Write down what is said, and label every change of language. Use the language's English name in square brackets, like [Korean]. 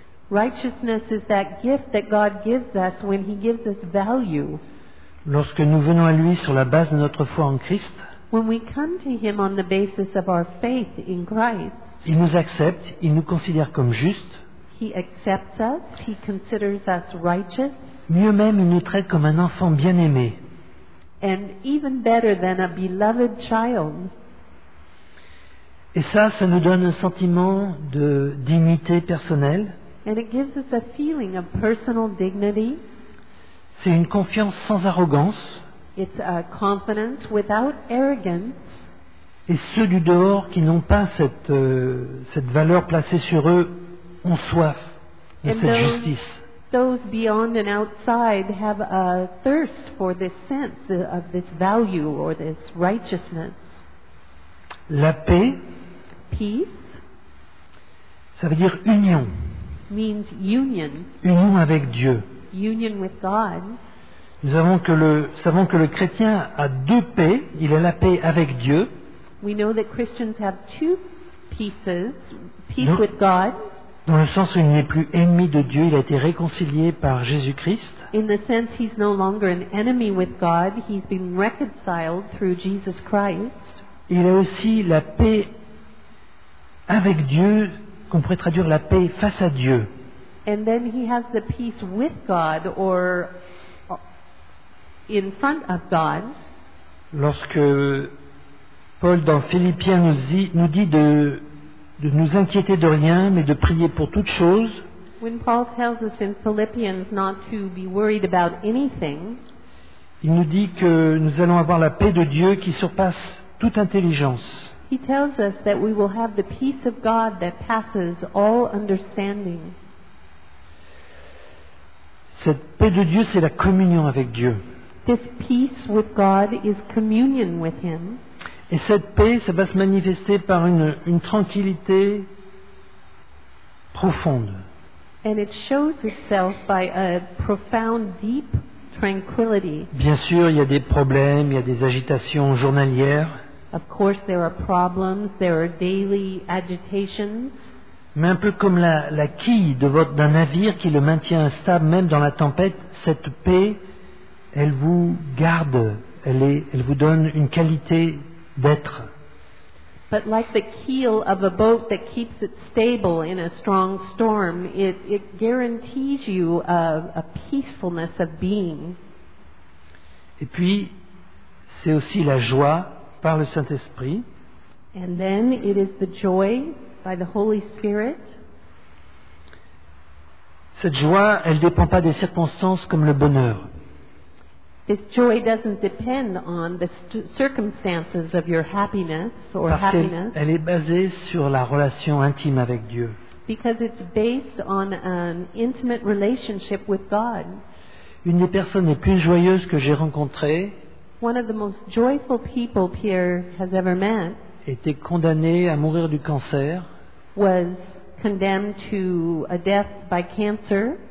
[English] Righteousness is that gift that God gives us when He gives us value. [French] Lorsque nous venons à Lui sur la base de notre foi en Christ, [English] when we come to Him on the basis of our faith in Christ, [French] Il nous accepte, Il nous considère comme juste. [English] He accepts us, He considers us righteous. [French] Mieux même, Il nous traite comme un enfant bien-aimé. [English] And even better than a beloved child. [French] Et ça nous donne un sentiment de dignité personnelle. [English] And it gives us a feeling of personal dignity. [French] C'est une confiance sans arrogance. [English] It's a confidence without arrogance. [French] Et ceux du dehors qui n'ont pas cette valeur placée sur eux ont soif de [English] and [French] cette [English] those, [French] justice. [English] Those beyond and outside have a thirst for this sense of this value or this righteousness. [French] La paix. [English] Peace. [French] Ça veut dire union. [English] Means union. [French] Union avec Dieu. [English] Union with God. [French] Nous savons que le chrétien a deux paix. Il a la paix avec Dieu. [English] We know that Christians have two pieces, peace with God. [French] Dans le sens où il n'est plus ennemi de Dieu, il a été réconcilié par Jésus-Christ. [English] In the sense he's no longer an enemy with God, he's been reconciled through Jesus Christ. [French] Il a aussi la paix avec Dieu. Qu'on pourrait traduire la paix face à Dieu. [English] And then he has the peace with God or in front of God. [French] Lorsque Paul dans Philippiens nous dit de nous inquiéter de rien mais de prier pour toute chose. [English] When Paul tells us in Philippians not to be worried about anything. [French] Il nous dit que nous allons avoir la paix de Dieu qui surpasse toute intelligence. [English] He tells us that we will have the peace of God that passes all understanding. [French] Cette paix de Dieu, c'est la communion avec Dieu. [English] This peace with God is communion with Him. [French] Et cette paix, ça va se manifester par une tranquillité profonde. [English] And it shows itself by a profound, deep tranquility. [French] Bien sûr, il y a des problèmes, il y a des agitations journalières. [English] Of course, there are problems, there are daily agitations. [French] Mais un peu comme la quille d'un navire qui le maintient stable même dans la tempête, cette paix, elle vous garde, elle vous donne une qualité d'être. [English] But like the keel of a boat that keeps it stable in a strong storm, it guarantees you a peacefulness of being. [French] Et puis, c'est aussi la joie par le Saint-Esprit. [English] And then it is the joy by the Holy Spirit. [French] Cette joie, elle ne dépend pas des circonstances comme le bonheur. [English] This joy doesn't depend on the circumstances of your happiness or happiness. [French] Elle est basée sur la relation intime avec Dieu. [English] Because it's based on an intimate relationship with God. [French] Une des personnes les plus joyeuses que j'ai rencontrées. [English] One of the most joyful people Pierre has ever met [French] était condamné à mourir du cancer. [English] Was condemned to a death by cancer.